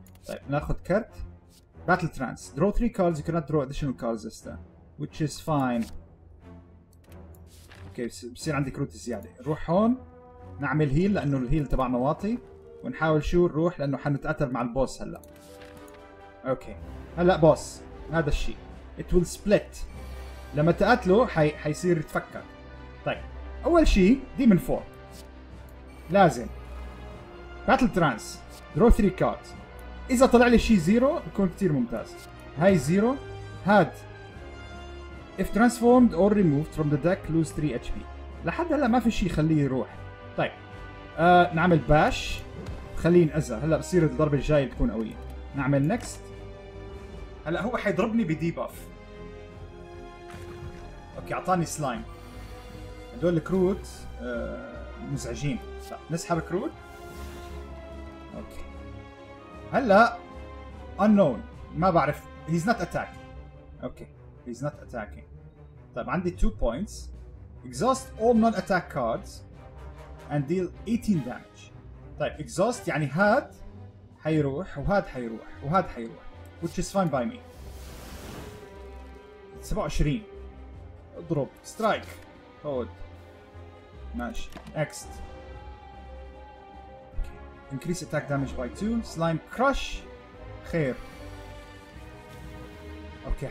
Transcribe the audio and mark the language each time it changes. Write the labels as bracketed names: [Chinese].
[Arabic] طيب ناخد كرت [English] battle trance draw 3 cards you cannot draw additional cards this turn which is fine. [Arabic] اوكي بصير عندي كروت زيادة. روح هون نعمل heal لانه الهيل تبعنا واطي ونحاول شو نروح لانه حنتقتل مع البوس هلا. اوكي هلا بوس هذا الشيء [English] it will split [Arabic] لما تقتله حيصير يتفكر. طيب اول شيء ديمون فور لازم باتل ترانس [English] draw 3 cards. [Arabic] اذا طلع لي شيء زيرو بكون كتير ممتاز. هاي زيرو هاد [English] if transformed or removed from the deck lose 3 HP. [Arabic] لحد هلا ما في شيء يخليه يروح. طيب نعمل باش خلين أزا. هلا بصير الضرب الجاي بتكون قوية. نعمل next. هلا هو حيضربني بديباف. اوكي اعطاني سلايم. هدول الكروت مزعجين. نسحب كروت. اوكي. هلا unknown. ما بعرف. [English] He's not attacking. [Arabic] اوكي. [English] He's not attacking. [Arabic] طيب عندي 2 points. [English] Exhaust all non-attack cards. And deal 18 damage. [Arabic] طيب exhaust يعني هاد حيروح وهاد حيروح وهاد حيروح [English] which is fine by me. 27 اضرب strike hold ماشي next okay. increase attack damage by 2 slime crush [Arabic] خير اوكي [English] okay.